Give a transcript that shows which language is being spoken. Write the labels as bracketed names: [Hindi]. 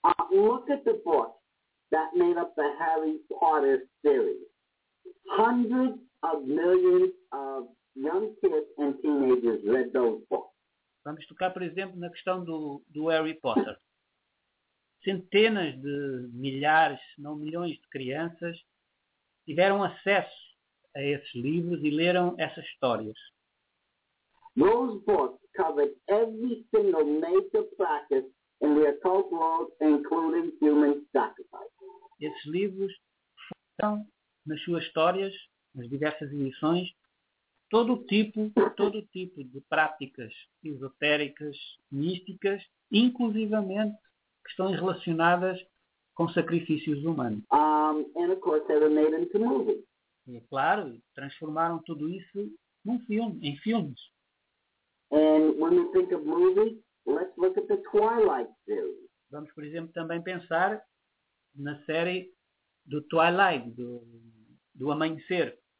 [English] Look at the book that made up the Harry Potter series. Hundreds of millions of young kids and teenagers read those books. [Portuguese] Vamos tocar, por exemplo, na questão do Harry Potter. Centenas de milhares, se não milhões de crianças tiveram acesso a esses livros e leram essas histórias. [English] Those books covered every single major practice in the occult world, including human sacrifice. [Portuguese] Esses livros foram, nas suas histórias, nas diversas edições, todo tipo de práticas esotéricas, místicas, inclusivamente questões relacionadas com sacrifícios humanos. [English] And of course they were made into movies. [Portuguese] E, claro, transformaram tudo isso num filme, em filmes. [English] And when we think of movies, let's look at the Twilight series. [Portuguese] Vamos, por exemplo, também pensar na série do Twilight, do Amanhecer.